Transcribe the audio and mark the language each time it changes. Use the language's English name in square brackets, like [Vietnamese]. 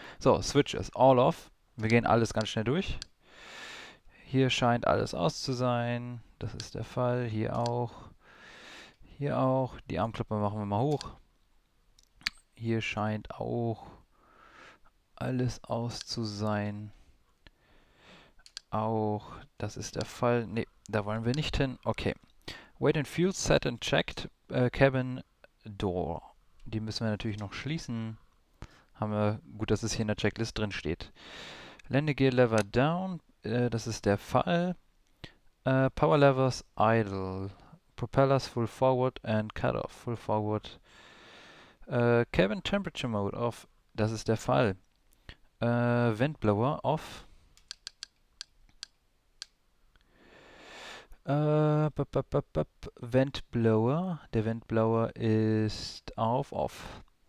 [German] So, Switch ist all off. Wir gehen alles ganz schnell durch. Hier scheint alles aus zu sein. Das ist der Fall. Hier auch. Hier auch. Die Armklappe machen wir mal hoch. Hier scheint auch alles aus zu sein. Auch das ist der Fall. Ne, da wollen wir nicht hin. Okay. [English] Wait and fuel set and checked cabin door. [German] Die müssen wir natürlich noch schließen. Haben wir gut, dass es hier in der Checklist drin steht. [English] Landegear lever down, [German] das ist der Fall. [English] Power levers idle. Propellers full forward and cut off full forward. Cabin temperature mode off, [German] das ist der Fall. [English] Vent blower off. [German] Vent blower, der Vent blower ist off, off.